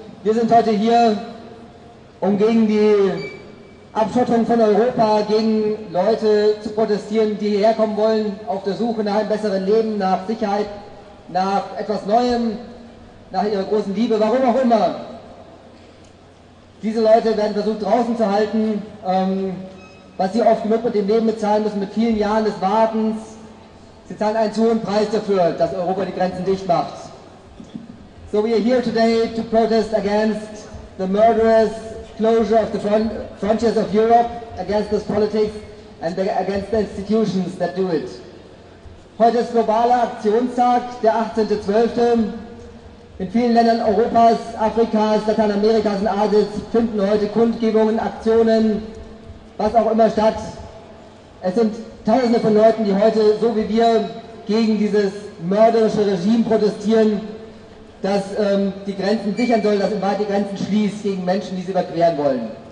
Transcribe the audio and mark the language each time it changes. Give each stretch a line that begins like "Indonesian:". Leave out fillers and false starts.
German: Wir sind heute hier, um gegen die Abschottung von Europa, gegen Leute zu protestieren, die hierher kommen wollen, auf der Suche nach einem besseren Leben, nach Sicherheit, nach etwas Neuem, nach ihrer großen Liebe, warum auch immer. Diese Leute werden versucht, draußen zu halten, was sie oft genug mit dem Leben bezahlen müssen, mit vielen Jahren des Wartens. Sie zahlen einen zu hohen Preis dafür, dass Europa die Grenzen dicht macht.
English: So, we are here today to protest against the murderous closure of the frontiers of Europe, against this politics and against the institutions that do it.
German: Heute ist globaler Aktionstag, der 18.12. In vielen Ländern Europas, Afrikas, Lateinamerikas und Asiens finden heute Kundgebungen, Aktionen, was auch immer statt. Es sind Tausende von Leuten, die heute, so wie wir, gegen dieses mörderische Regime protestieren, das die Grenzen sichern soll, das in Wahrheit die Grenzen schließt gegen Menschen, die sie überqueren wollen.